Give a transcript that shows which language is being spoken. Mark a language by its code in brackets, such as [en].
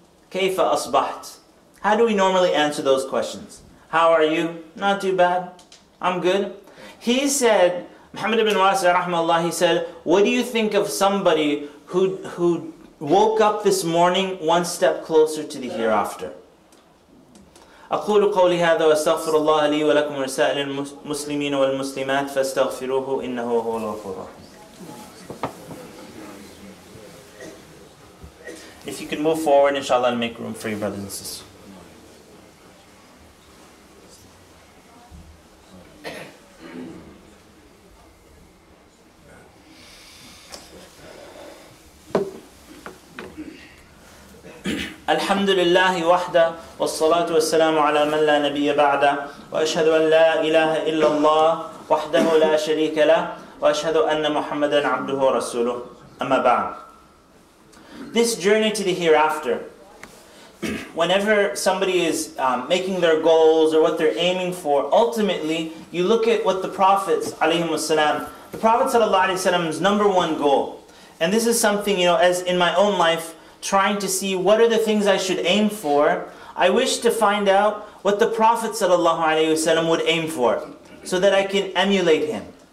[ar] Kayfa asbaht? [en] How do we normally answer those questions? How are you? Not too bad. I'm good. He said, Muhammad ibn Wasi' rahimahullah, he said, what do you think of somebody who woke up this morning one step closer to the hereafter? [ar] أقول قولي هذا وأستغفر الله لي ولكم ورسائل المسلمين والمسلمات فاستغفروه إنه هو الغفور. [en] If you can move forward, inshallah, I'll make room for your brothers and sisters. [ar] الحمد لله وحده والصلاة والسلام على من لا نبي بعده وأشهد أن لا إله إلا الله وحده لا شريك له وأشهد أن محمدا عبده ورسوله أما بعد. [en] This journey to the hereafter, whenever somebody is making their goals or what they're aiming for, ultimately you look at what the prophets عليهم السلام, the Prophet sallallahu alaihi wasallam's number one goal, and this is something, you know, as in my own life, trying to see what are the things I should aim for, I wish to find out what the Prophet ﷺ would aim for, so that I can emulate him.